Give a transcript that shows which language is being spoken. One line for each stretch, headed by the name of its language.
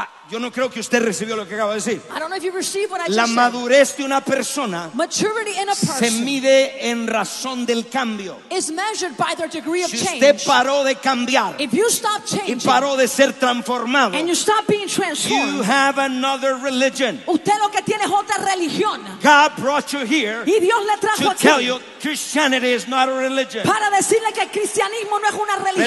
Spanish: Yo no creo que usted recibió lo que acabo de decir.
English: I don't know if you received what I just said.
Spanish: La madurez de una persona,
English: maturity in a person,
Spanish: se mide en razón del cambio,
English: is measured by their degree of change.
Spanish: Si usted paró de cambiar,
English: if you stop changing,
Spanish: y paró de ser transformado,
English: and you stop being transformed, you have another religion.
Spanish: Usted lo que tiene es otra religión.
English: God brought you here,
Spanish: y Dios le trajo aquí,
English: to tell you Christianity is not a religion.
Spanish: Para decirle que el cristianismo no es una religión.